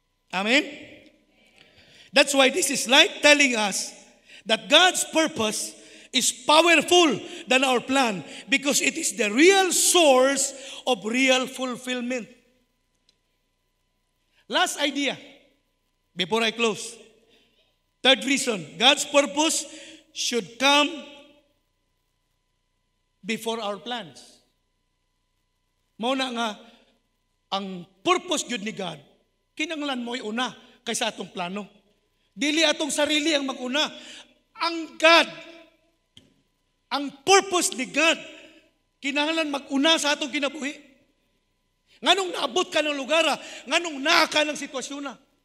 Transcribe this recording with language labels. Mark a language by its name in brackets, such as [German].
[English] Amen. That's why this is like telling us that God's purpose is powerful than our plan because it is the real source of real fulfillment. Last idea before I close. Third reason, God's purpose should come before our plans. [Cebuano] Muna nga, ang purpose yun ni God, kinanglan mo'y una kaysa atong plano. Dili atong sarili ang mag-una. Ang God, ang purpose ni God, kinanglan mag-una sa atong kinabuhi. Nganong naabot ka ng lugar, nganong naaka ng sitwasyon na.